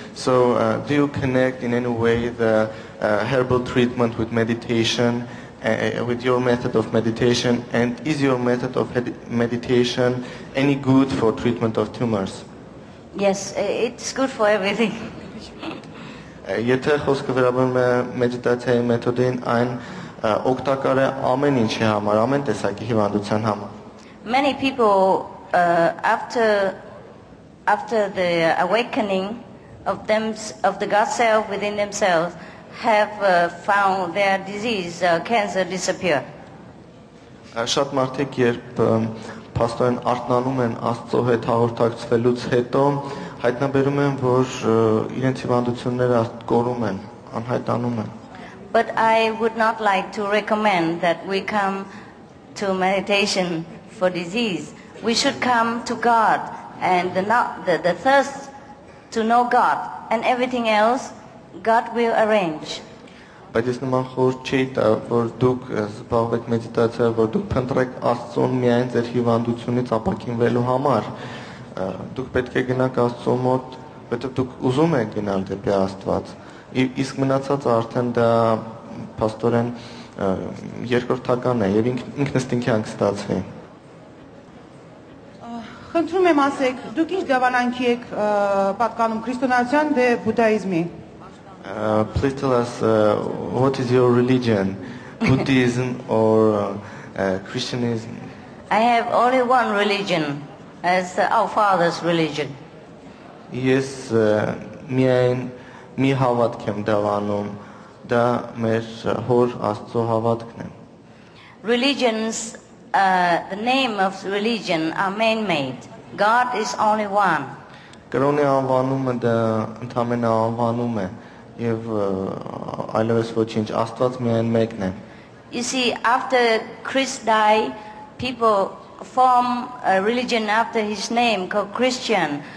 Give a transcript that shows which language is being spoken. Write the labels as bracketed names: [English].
[English] So do you connect in any way the herbal treatment with meditation, with your method of meditation? And is your method of meditation any good for treatment of tumors? Yes, it's good for everything. [Armenian] Եթե խոսքը վերաբերում է մեդիտացիայի մեթոդին, այն օգտակար է ամեն ինչի համար, ամեն տեսակի հիվանդության համար։ [English] Many people after the awakening of them of the God self within themselves have found their disease cancer disappear. [Armenian] Շատ մարդիկ երբ փաստորեն արթնանում են Աստծո հետ հաղորդակցվելուց հետո հայտնաբերում են, որ իրենց հիվանդությունները կորում են, անհայտանում են։ [English] But I would not like to recommend that we come to meditation for disease. We should come to God and the thirst to know God and everything else God will arrange. [Armenian] Բայց ես նման խոր չի տա, որ դուք զբաղվեք մեդիտացիա, որ դուք փնտրեք Աստծուն միայն ձեր հիվանդությունից ապակինվելու համար։ Դուք պետք է գնաք Աստծո մոտ, եթե դուք ուզում եք գնալ դեպի Աստված, իսկ մնացած արդեն դա փաստորեն երկրորդական է եւ ինքնըստինքյան կստացվի։ Խնդրում եմ ասեք, դուք ինչ դավանանքի եք պատկանում քրիստոնեության դե բուդդայիզմի։ [English] Please tell us what is your religion, Buddhism or Christianism? I have only one religion. As our father's religion. [Armenian] Yes, միայն մի հավատք եմ դավանում, դա մեր հոր Աստծո հավատքն է։ [English] Religions, the name of religion are man-made. God is only one. [Armenian] Կրոնի անվանումը դա ընդամենը անվանում է եւ այլևս ոչինչ, Աստված միայն մեկն է։ [English] You see, after Christ died, people form a religion after his name called Christian.